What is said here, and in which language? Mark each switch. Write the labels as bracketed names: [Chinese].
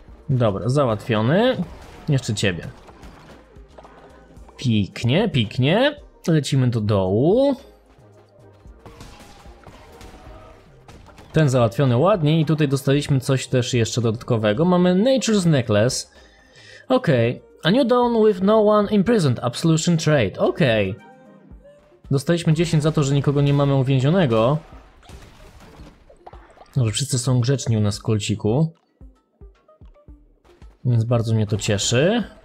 [Polish] Dobra, załatwiony. Jeszcze ciebie. Piknie, piknie. Lecimy do dołu. Ten załatwiony ładnie i tutaj dostaliśmy coś też jeszcze dodatkowego. Mamy Nature's Necklace. Okej. [English] Okay. A new dawn with no one imprisoned. Absolution trade. Okej. Okay. [Polish] Dostaliśmy 10 za to, że nikogo nie mamy uwięzionego. Dobrze, wszyscy są grzeczni u nas w kolciku. Więc bardzo mnie to cieszy.